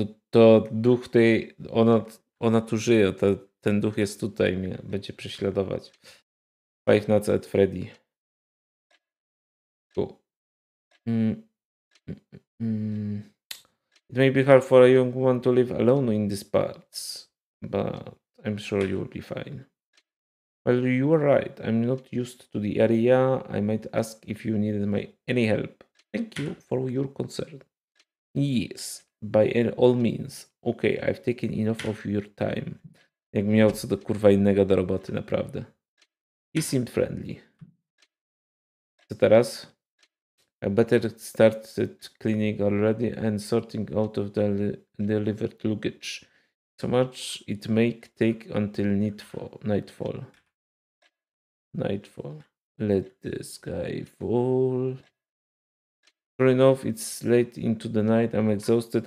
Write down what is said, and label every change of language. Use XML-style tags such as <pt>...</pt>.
<pl>To duch tej, ona tu żyje, ten duch jest tutaj, mnie będzie prześladować.</pl> <en>Five Nights at Freddy. Cool. It may be hard for a young woman to live alone in these parts, but I'm sure you will be fine. Well, you are right. I'm not used to the area. I might ask if you needed any help. Thank you for your concern. Yes, by all means. Okay, I've taken enough of your time.</en> <pl>Jak miał co do kurwa innego do roboty, naprawdę.</pl> <en>He seemed friendly.</en> <pl>Co teraz?</pl> <en>I better start the cleaning already and sorting out of the delivered luggage. So much it may take until nightfall. Nightfall. Let the sky fall. Sure enough, it's late into the night. I'm exhausted.</en>